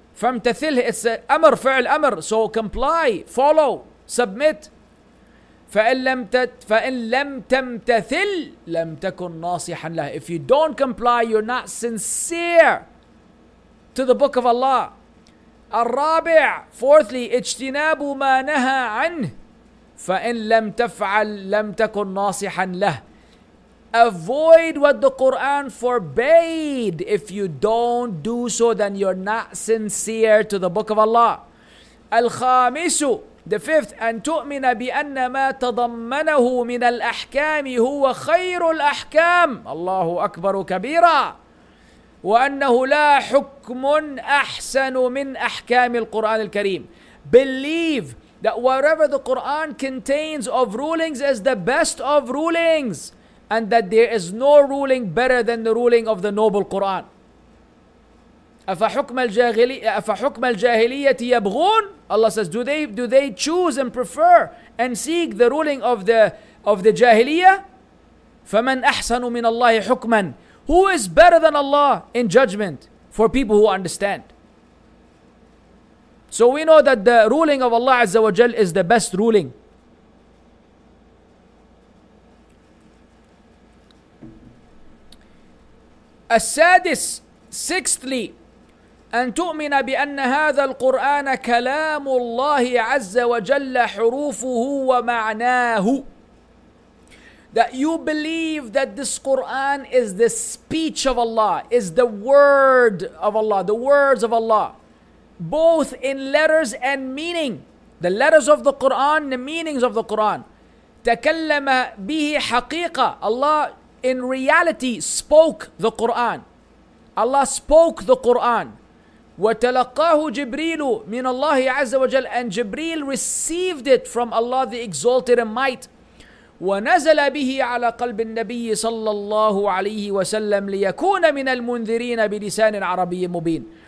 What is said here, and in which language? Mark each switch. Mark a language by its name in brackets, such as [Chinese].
[Arabic] فَامْتَثِلْهِ. [English] It's an amr, fi'l amr. So comply, follow, submit. [Arabic] فَإِن لَمْ تَمْتَثِلْ لَمْ تَكُنْ نَاصِحًا لَهِ. [English] If you don't comply, you're not sincere to the Book of Allah. [Arabic] الرابع, [English] fourthly, [Arabic] اجتناب ما نهى عنه فإن لم تفعل لم تكن ناصحا له. [English] Avoid what the Quran forbade. If you don't do so, then you're not sincere to the Book of Allah. [Arabic] الخامس, [English] the fifth, [Arabic] أن تؤمن بأن ما تضمنه من الأحكام هو خير الأحكام. الله أكبر كبيرا. وأنه لا حكم أحسن من أحكام القرآن الكريم. [English] Believe that whatever the Quran contains of rulings is the best of rulings, and that there is no ruling better than the ruling of the noble Quran. [Arabic] أَفَحُكْمَ الْجَاهِلِيَّةِ يَبْغُونَ. [English] Allah says, do they choose and prefer and seek the ruling of the jahiliyyah? [Arabic] فَمَنْ أَحْسَنُ مِنَ اللَّهِ حُكْمًا. [English] Who is better than Allah in judgment for people who understand? So we know that the ruling of Allah Azza wa Jal is the best ruling. [Arabic] السادس, [English] sixthly, [Arabic] أن تؤمن بأن هذا القرآن كلام الله عز وجل حروفه ومعناه. [English] That you believe that this Quran is the speech of Allah, is the word of Allah, the words of Allah, both in letters and meaning. The letters of the Quran, the meanings of the Quran. [Arabic] تكلم به حقيقة. [English] Allah in reality spoke the Quran. Allah spoke the Quran. [Arabic] وتلقاه جبريل من الله عز وجل. [English] And Jibreel received it from Allah, the Exalted and Might. [Arabic] ونزل به على قلب النبي صلى الله عليه وسلم ليكون من المنذرين بلسان عربي مبين.